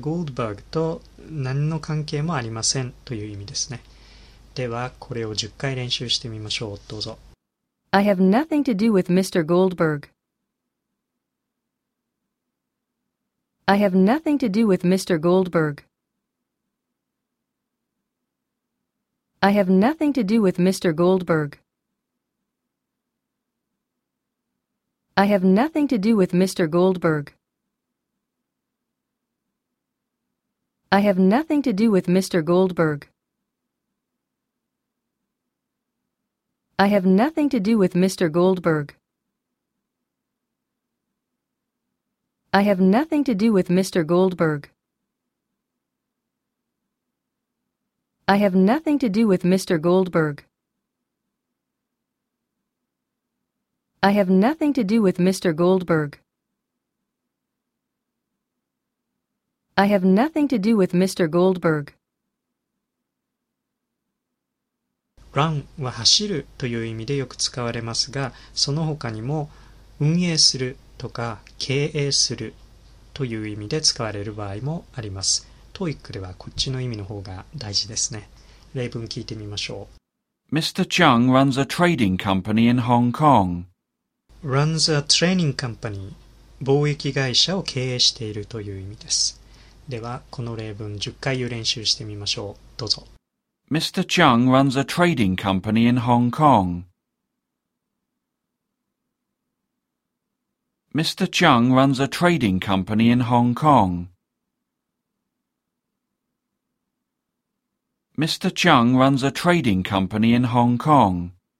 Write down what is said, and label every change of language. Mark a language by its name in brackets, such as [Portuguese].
[Japanese] Goldberg と何の関係もありませんという意味ですね。ではこれを10回練習してみましょう。どうぞ。 [English] I have nothing to do with Mr. Goldberg. I have nothing to do with Mr. Goldberg. I have nothing to do with Mr. Goldberg. I have nothing to do with Mr. Goldberg. I have nothing to do with Mr. Goldberg. I have nothing to do with Mr. Goldberg. I have nothing to do with Mr. Goldberg. I have nothing to do with Mr. Goldberg. I have nothing to do with Mr. Goldberg. I have nothing to do with Mr. Goldberg. [Japanese] Run は走るという意味でよく使われますが、その他にも運営するとか経営するという意味で使われる場合もあります。TOEIC ではこっちの意味の方が大事ですね。例文聞いてみましょう。 [English] Mr. Chung runs a trading company in Hong Kong. Runs a trading company. [Japanese] 貿易会社を経営しているという意味です。では、この例文10回を練習してみましょう。どうぞ。 [English] Mr. Chung runs a trading company in Hong Kong. Mr. Chung runs a trading company in Hong Kong. Mr. Chung runs a trading company in Hong Kong.